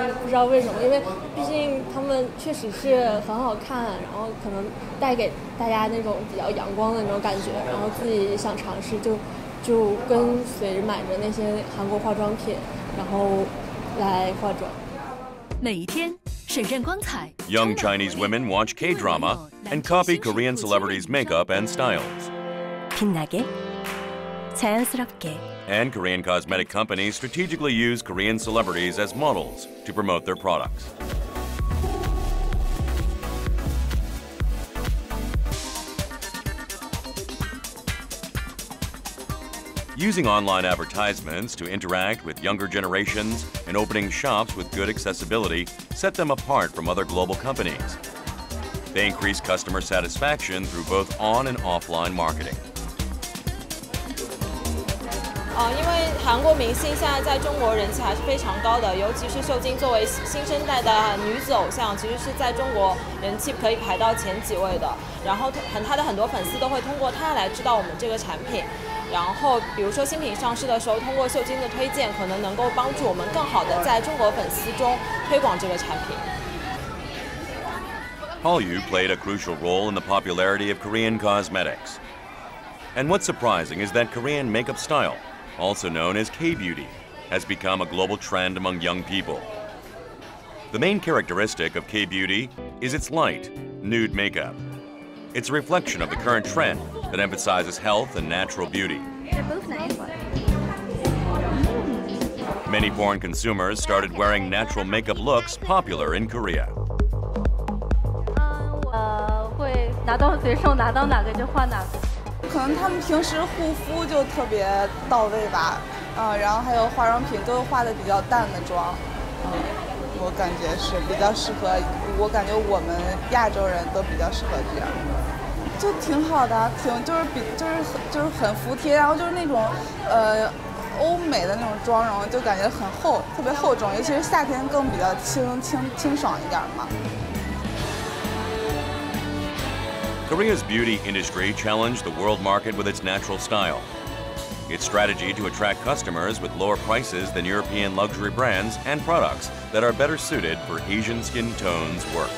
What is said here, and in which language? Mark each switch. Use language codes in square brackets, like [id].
[zh] 不知道为什么，因为毕竟他们确实是很好看，然后可能带给大家那种比较阳光的那种感觉，然后自己想尝试就跟随着买着那些韩国化妆品然后来化妆。每一天审慎光彩。 [en] Young Chinese women watch K-drama and copy Korean celebrities' makeup and styles. [ko] 빛나게자연스럽게 [en] And Korean cosmetic companies strategically use Korean celebrities as models to promote their products. using online advertisements to interact with younger generations and opening shops with good accessibility set them apart from other global companies. They increase customer satisfaction through both on and offline marketing. [zh] 因为韩国明星现在在中国人气还是非常高的，尤其是秀晶作为新生代的女子偶像，其实是在中国人气可以排到前几位的。然后她的很多粉丝都会通过她来知道我们这个产品，然后比如说新品上市的时候，通过秀晶的推荐，可能能够帮助我们更好的在中国粉丝中推广这个产品。 [en] Hallyu played a crucial role in the popularity of Korean cosmetics. And what's surprising is that Korean makeup style, also known as K-beauty, has become a global trend among young people. The main characteristic of K-beauty is its light, nude makeup. It's a reflection of the current trend that emphasizes health and natural beauty. Many foreign consumers started wearing natural makeup looks popular in Korea. [zh] 会拿到随手拿到哪个就画哪个。可能他们平时护肤就特别到位吧，然后还有化妆品都画的比较淡的妆，我感觉是比较适合。我感觉我们亚洲人都比较适合这样。就挺好的，就是很服帖，然后就是那种，欧美的那种妆容，就感觉很厚，特别厚重，尤其是夏天更比较清爽一点嘛。 [en] Korea's beauty industry challenged the world market with its natural style. Its strategy to attract customers with lower prices than European luxury brands and products that are better suited for Asian skin tones work.